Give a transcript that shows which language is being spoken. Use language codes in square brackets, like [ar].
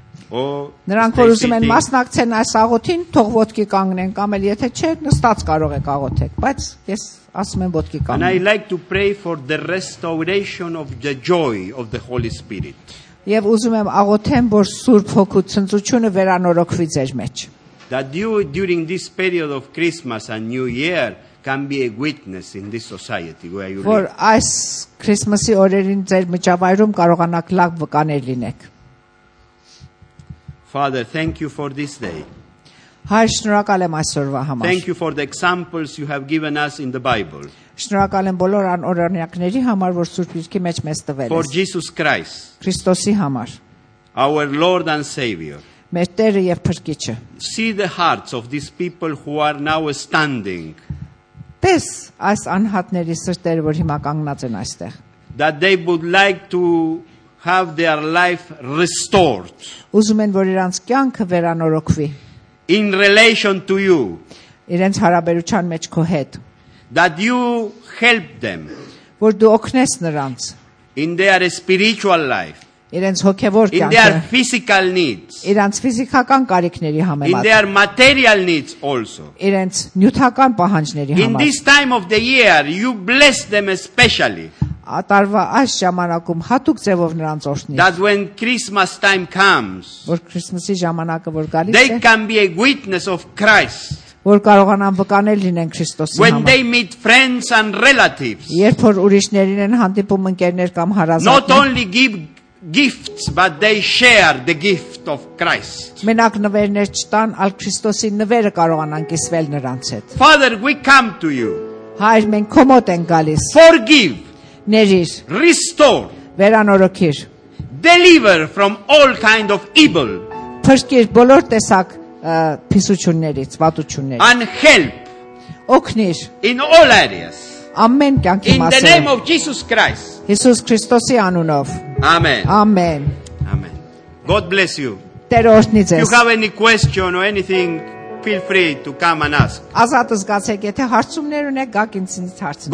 [hy] Նրանք որ ուզում են մասնակցեն այս աղոթին, թող ոտքի կանգնեն, կամ էլ եթե չէ, նստած կարող եք աղոթել, բայց ես ասում եմ ոտքի կանգնեն. [en] And I like to pray for the restoration of the joy of the Holy Spirit. [hy] Եվ ուզում եմ աղոթեմ, որ Սուրբ Հոգու ծնծությունը վերանորոգվի ձեր մեջ. [en] That you during this period of Christmas and New Year can be a witness in this society where you live. [hy] Որ այս Քրիսմասի օրերին ձեր միջավայրում կարողանաք լավ վկաներ լինեք. [en] Father, thank you for this day. [hy] Հայր, շնորհակալ եմ այսօրվա համար. [en] Thank you for the examples you have given us in the Bible. [hy] Շնորհակալ եմ բոլոր անօրինակների համար, որ Սուրբ Գիրքի մեջ մեզ տվել ես. [en] For Jesus Christ. [hy] Քրիստոսի համար. [en] Our Lord and Savior. [hy] Մեր Տերը եւ Փրկիչը. [en] See the hearts of these people who are now standing. [hy] Տես այս անհատների սրտերը, որ հիմա կանգնած են այստեղ. [en] That they would like to have their life restored. [hy] Ուզում են, որ իրանց կյանքը վերանորոգվի. [en] In relation to you. [hy] Իրենց հարաբերության մեջ քո հետ. [en] That you help them. [hy] Որ դու օգնես նրանց. [en] In their spiritual life. [hy] Իրենց հոգևոր կյանքը. [en] In their physical needs. [hy] Իրանց ֆիզիկական կարիքների համեմատ. [en] In their material needs also. [hy] Իրենց նյութական պահանջների համար. [en] In this time of the year you bless them especially. [hy] Ատարվա այս ժամանակում հատուկ ձևով նրանց օրհնի։ [en] That when Christmas time comes. [hy] Որ Քրիսմասի ժամանակը որ գալիս է։ [en] They can be a witness of Christ. [hy] Որ կարողանան վկաներ լինեն Քրիստոսի համար։ [en] When they meet friends and relatives. [hy] Երբ որ ուրիշներին են հանդիպում ընկերներ կամ հարազատներ։ [en] Not only give gifts but they share the gift of Christ. [hy] Մենակ նվերներ չտան, այլ Քրիստոսի նվերը կարողանան կիսվել նրանց հետ։ [en] Father, we come to you. [hy] Հայր, մենք քո մոտ ենք գալիս։ [en] Forgive. [hy] Ներիր, [en] restore. [hy] Վերանորոգիր. [en] Deliver from all kind of evil. [hy] Փրկիր բոլոր տեսակ փիսություններից, վատություններից. [en] And help. [hy] Օգնիր. [en] In all areas. [hy] Ամեն կյանքի մասին. [en] In the name of Jesus Christ. [hy] Հիսուս Քրիստոսի անունով. [en] Amen. Amen. Amen. God bless you. [hy] Տեր օրհնի ձեզ. [en] If you have any question or anything, feel free to come and ask. [hy] Ազատ զգացեք, եթե հարցումներ ունեք, գաք ինձ հարցնեք.